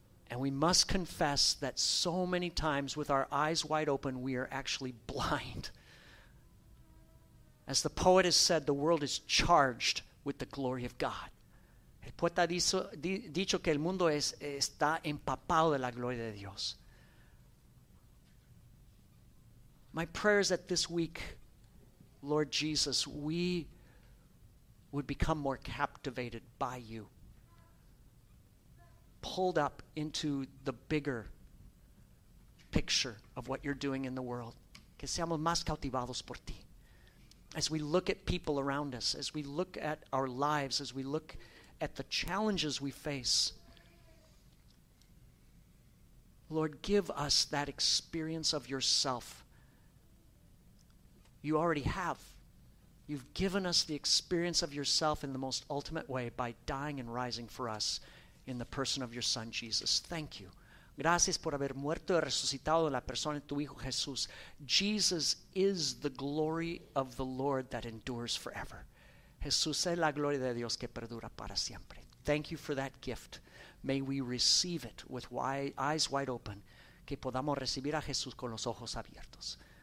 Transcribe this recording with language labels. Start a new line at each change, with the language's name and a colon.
English: And we must confess that so many times with our eyes wide open, we are actually blind. As the poet has said, the world is charged with the glory of God.
Spanish: El poeta ha dicho que el mundo está empapado de la gloria de Dios.
English: My prayer is that this week, Lord Jesus, we would become more captivated by you, pulled up into the bigger picture of what you're doing in the world.
Spanish: Que seamos más cautivados por ti.
English: As we look at people around us, as we look at our lives, as we look at the challenges we face, Lord, give us that experience of yourself. You already have. You've given us the experience of yourself in the most ultimate way by dying and rising for us in the person of your Son, Jesus. Thank you.
Spanish: Gracias por haber muerto y resucitado en la persona de tu Hijo, Jesús.
English: Jesus is the glory of the Lord that endures forever.
Spanish: Jesús es la gloria de Dios que perdura para siempre.
English: Thank you for that gift. May we receive it with eyes wide open,
Spanish: que podamos recibir a Jesús con los ojos abiertos.